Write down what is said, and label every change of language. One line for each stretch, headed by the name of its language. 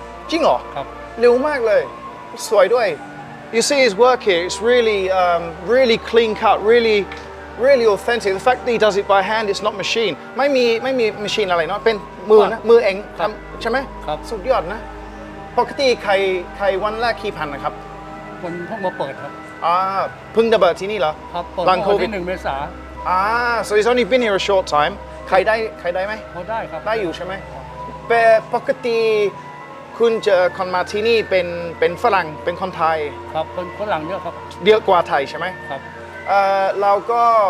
Thai: สวัสดีครับลุงครับลุงอันนี้เป็นร้านคุณเหรอครับอันนี้ทําเองมั้ยทําเองครับทุกอย่างครับโรงเรียนครับเป็นร้านของโรงเรียนว้าวอันนี้สุดยอดนะอันนี้ทําวันละประมาณกี่วันแผ่นนึงละใช่ครับแผ่นนึงก็ตกวันละ3แผ่นจริงเหรอครับเร็วมากเลยสวยด้วย
English: You see his work here, it's really clean cut, really authentic. The fact that he does it by hand, it's not machine.
Thai: ไม่มี machine อะไรเนาะเป็นมือเองใช่ไหมครับสุดยอดนะปกติใครวันละกี่พันนะครับคนเพิ่งมาเปิดครับเพิ่งมาเปิดที่นี่เหรอครับหลังโควิด1เมษา
English: so he's only been here a short time
Thai: ใครได้ไหมพอได้ครับได้อยู่ใช่ไหมแต่ปกติคุณจะคนมาที่นี่เป็นฝรั่งเป็นคนไทยครับคนฝรั่งเยอะครับเยอะกว่าไทยใช่ไหมครับ เราก็